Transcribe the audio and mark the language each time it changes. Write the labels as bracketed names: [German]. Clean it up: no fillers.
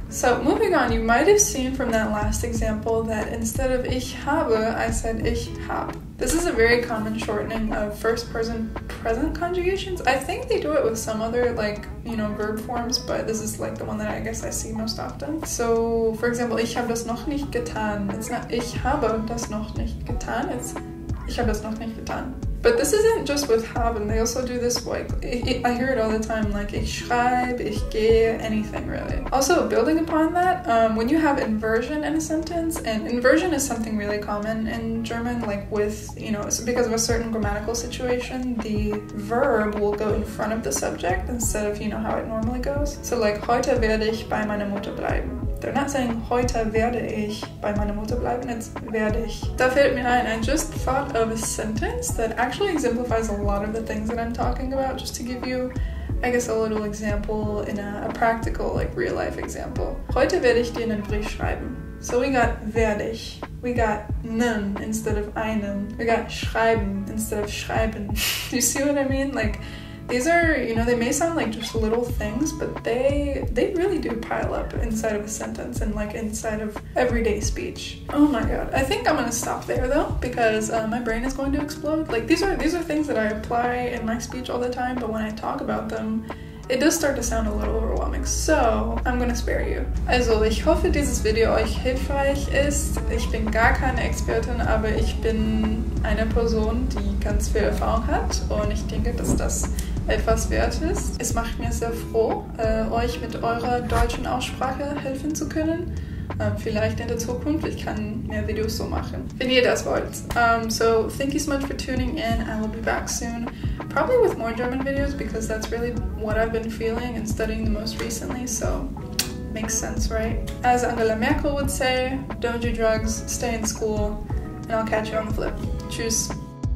[English] So moving on, you might have seen from that last example that instead of ich habe, I said ich hab. This is a very common shortening of first person present conjugations. I think they do it with some other, like, you know, verb forms, but this is like the one that I guess I see most often. [German] So for example, ich habe das noch nicht getan. [English] It's not [German] ich habe das noch nicht getan. [English] It's ich habe das noch nicht getan. But this isn't just with haben, they also do this, like, I hear it all the time, like, [German] ich schreibe, ich gehe, [English] anything really. Also, building upon that, when you have inversion in a sentence, and inversion is something really common in German, like with, you know, because of a certain grammatical situation, the verb will go in front of the subject instead of, you know, how it normally goes. [German] So like, heute werde ich bei meiner Mutter bleiben. [English] They're not saying, [German] heute werde ich bei meiner Mutter bleiben, [English] it's werde ich. [German] Da fällt mir ein, [English] I just thought of a sentence that actually exemplifies a lot of the things that I'm talking about, just to give you, I guess, a little example in a practical, like, real-life example. [German] Heute werde ich dir einen Brief schreiben. [English] So we got [German] werde ich. [English] We got nen instead of einen. We got schreiben instead of schreiben. Do you see what I mean? Like, these are, you know, they may sound like just little things, but they really do pile up inside of a sentence and like inside of everyday speech. Oh my god. I think I'm gonna stop there though, because my brain is going to explode. Like, these are things that I apply in my speech all the time, but when I talk about them, it does start to sound a little overwhelming, so I'm gonna spare you. [German] Also, ich hoffe dieses Video euch hilfreich ist. Ich bin gar keine Expertin, aber ich bin eine Person, die ganz viel Erfahrung hat und ich denke, dass das etwas wert ist. Es macht mir sehr froh, euch mit eurer deutschen Aussprache helfen zu können. Vielleicht in der Zukunft, ich kann mehr Videos so machen, wenn ihr das wollt. [English] So, thank you so much for tuning in, I will be back soon. Probably with more German videos, because that's really what I've been feeling and studying the most recently, so makes sense, right? As Angela Merkel would say, don't do drugs, stay in school, and I'll catch you on the flip. Tschüss!